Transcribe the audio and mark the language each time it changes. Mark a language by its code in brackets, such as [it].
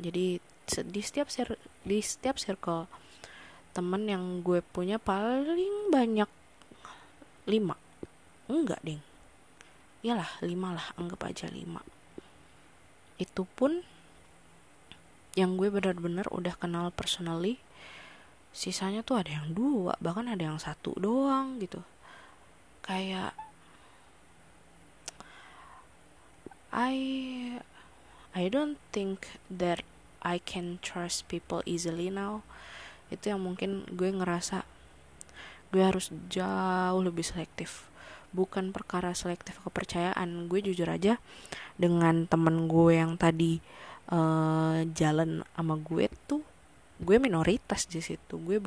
[id] Jadi di setiap circle temen yang gue punya paling banyak 5. Enggak, ding. Iyalah, 5 lah, anggap aja 5. Itu pun yang gue benar-benar udah kenal personally, sisanya tuh ada yang 2, bahkan ada yang 1 doang gitu. Kayak [en] I don't think that I can trust people easily now. [id] Itu yang mungkin gue ngerasa gue harus jauh lebih selektif. Bukan perkara selektif kepercayaan, gue jujur aja dengan temen gue yang tadi jalan sama gue tuh, gue minoritas di situ.